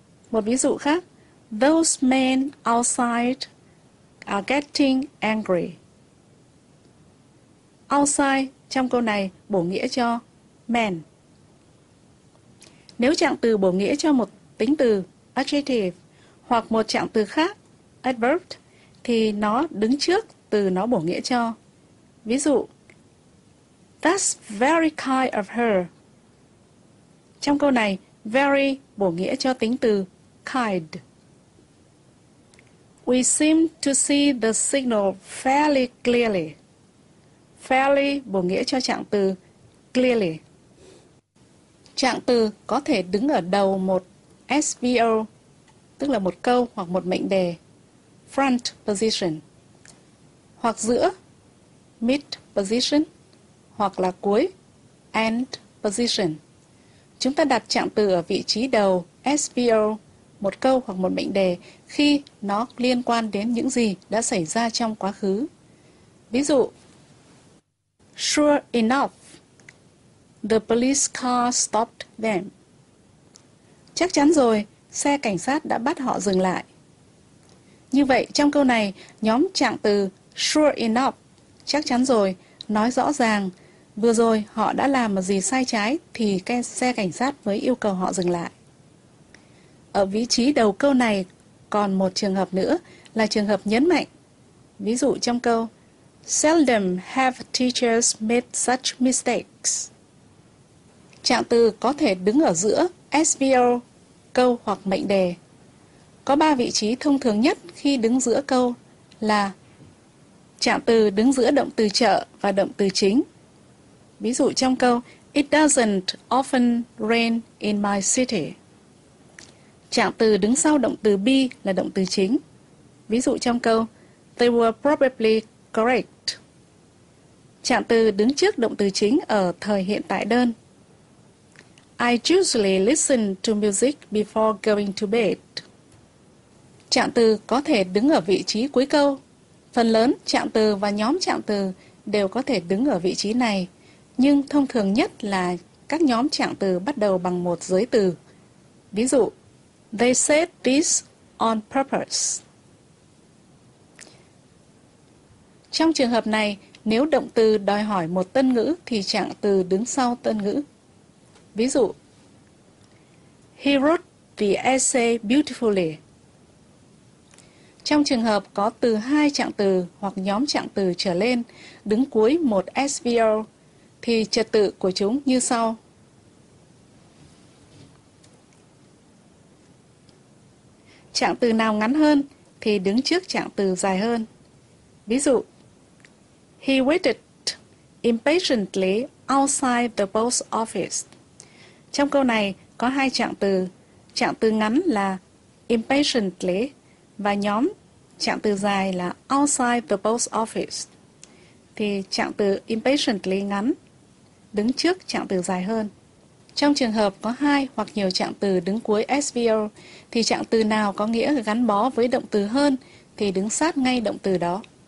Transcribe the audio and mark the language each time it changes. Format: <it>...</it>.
<vi>Một ví dụ khác,</vi> <en>those men outside are getting angry.</en> <vi>Outside trong câu này bổ nghĩa cho men. Nếu trạng từ bổ nghĩa cho một tính từ adjective hoặc một trạng từ khác adverb thì nó đứng trước từ nó bổ nghĩa cho. Ví dụ,</vi> <en>that's very kind of her.</en> <vi>Trong câu này very bổ nghĩa cho tính từ kind.</vi> <en>We seem to see the signal fairly clearly.</en> <vi>Fairly bổ nghĩa cho trạng từ clearly. Trạng từ có thể đứng ở đầu một SVO, tức là một câu hoặc một mệnh đề, front position, hoặc giữa, mid position, hoặc là cuối, end position. Chúng ta đặt trạng từ ở vị trí đầu SVO, một câu hoặc một mệnh đề, khi nó liên quan đến những gì đã xảy ra trong quá khứ. Ví dụ,</vi> <en>sure enough, the police car stopped them.</en> <vi>Chắc chắn rồi, xe cảnh sát đã bắt họ dừng lại. Như vậy, trong câu này, nhóm trạng từ</vi> <en>sure enough,</en> <vi>chắc chắn rồi, nói rõ ràng, vừa rồi họ đã làm gì sai trái thì cái xe cảnh sát mới yêu cầu họ dừng lại. Ở vị trí đầu câu này, còn một trường hợp nữa là trường hợp nhấn mạnh. Ví dụ trong câu,</vi> <en>seldom have teachers made such mistakes.</en> <vi>Trạng từ có thể đứng ở giữa SVO, câu hoặc mệnh đề. Có ba vị trí thông thường nhất khi đứng giữa câu là trạng từ đứng giữa động từ trợ và động từ chính. Ví dụ trong câu,</vi> <en>it doesn't often rain in my city.</en> <vi>Trạng từ đứng sau động từ be là động từ chính. Ví dụ trong câu,</vi> <en>they were probably correct.</en> <vi>Trạng từ đứng trước động từ chính ở thời hiện tại đơn.</vi> <en>I usually listen to music before going to bed.</en> <vi>Trạng từ có thể đứng ở vị trí cuối câu. Phần lớn trạng từ và nhóm trạng từ đều có thể đứng ở vị trí này. Nhưng thông thường nhất là các nhóm trạng từ bắt đầu bằng một giới từ. Ví dụ,</vi> <en>they said this on purpose.</en> <vi>Trong trường hợp này, nếu động từ đòi hỏi một tân ngữ thì trạng từ đứng sau tân ngữ. Ví dụ,</vi> <en>he wrote the essay beautifully.</en> <vi>Trong trường hợp có từ hai trạng từ hoặc nhóm trạng từ trở lên đứng cuối một SVO thì trật tự của chúng như sau. Trạng từ nào ngắn hơn thì đứng trước trạng từ dài hơn. Ví dụ,</vi> <en>he waited impatiently outside the post office.</en> <vi>Trong câu này có hai trạng từ ngắn là impatiently và nhóm trạng từ dài là</vi> <en>outside the post office.</en> <vi>Thì trạng từ impatiently ngắn đứng trước trạng từ dài hơn. Trong trường hợp có hai hoặc nhiều trạng từ đứng cuối SVO thì trạng từ nào có nghĩa gắn bó với động từ hơn thì đứng sát ngay động từ đó.</vi>